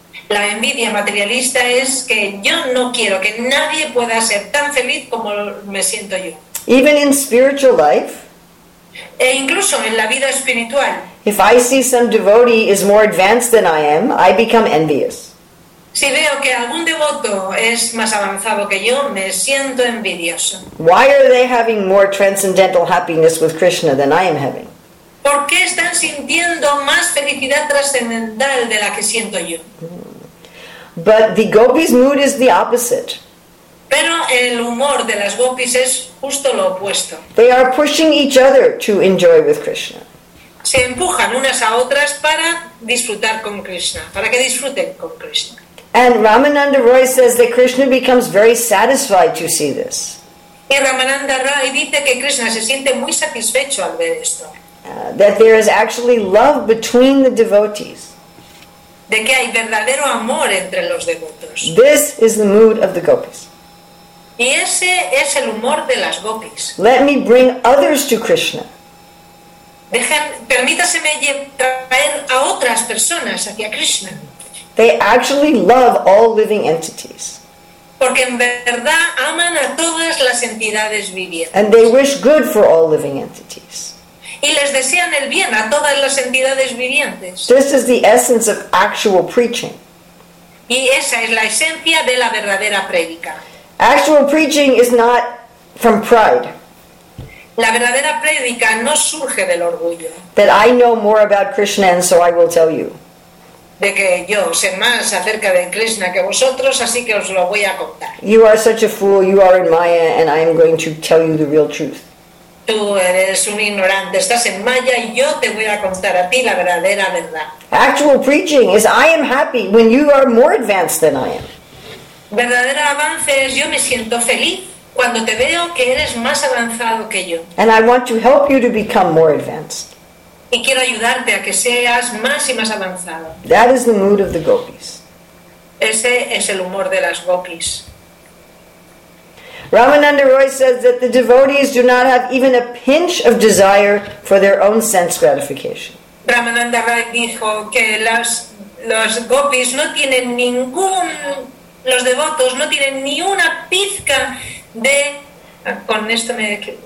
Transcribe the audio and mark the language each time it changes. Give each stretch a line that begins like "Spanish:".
Spanish: La envidia materialista es que yo no quiero que nadie pueda ser tan feliz como me siento yo.
English: Even in spiritual life,
Spanish: e incluso en la vida espiritual,
English: if I see some devotee is more advanced than I am, I become envious.
Spanish: Si veo que algún devoto es más avanzado que yo, me siento envidioso.
English: Why are they having more transcendental happiness with Krishna than I am having?
Spanish: ¿Por qué están sintiendo más felicidad trascendental de la que siento yo?
English: But the gopis' mood is the opposite.
Spanish: Pero el humor de las gopis es justo lo opuesto.
English: They are pushing each other to enjoy with Krishna.
Spanish: Se empujan unas a otras para disfrutar con Krishna, para que disfruten con Krishna.
English: And Ramananda Roy says that Krishna becomes very satisfied to see this.
Spanish: Y Ramananda Roy dice que Krishna se siente muy satisfecho al ver esto.
English: That there is actually love between the devotees.
Spanish: De que hay verdadero amor entre los devotos.
English: This is the mood of the gopis.
Spanish: Y ese es el humor de las gopis.
English: Let me bring others to Krishna.
Spanish: Permítaseme traer a otras personas hacia Krishna.
English: They actually love all living entities.
Spanish: Porque en verdad aman a todas las entidades vivientes.
English: And they wish good for all living entities.
Spanish: Y les desean el bien a todas las entidades vivientes.
English: This is the essence of actual preaching.
Spanish: Y esa es la esencia de la verdadera prédica.
English: Actual preaching is not from pride.
Spanish: La verdadera prédica no surge del orgullo.
English: That I know more about Krishna and so I will tell you.
Spanish: De que yo sé más acerca de Krishna que vosotros, así que os lo voy a contar.
English: You are such a fool, you are in Maya, and I am going to tell you the real truth.
Spanish: Tú eres un ignorante, estás en Maya y yo te voy a contar a ti la verdadera verdad.
English: Actual preaching is I am happy when you are more advanced than I am.
Spanish: Verdadero avance es yo me siento feliz cuando te veo que eres más avanzado que yo.
English: And I want to help you to become more advanced.
Spanish: Y quiero ayudarte a que seas más y más avanzado.
English: That is the mood of the gopis.
Spanish: Ese es el humor de las gopis.
English: Ramananda Roy says that the devotees do not have even a pinch of desire for their own sense gratification.
Spanish: Ramananda Roy dijo que los gopis no tienen ningún, los devotos no tienen ni una pizca de, con esto me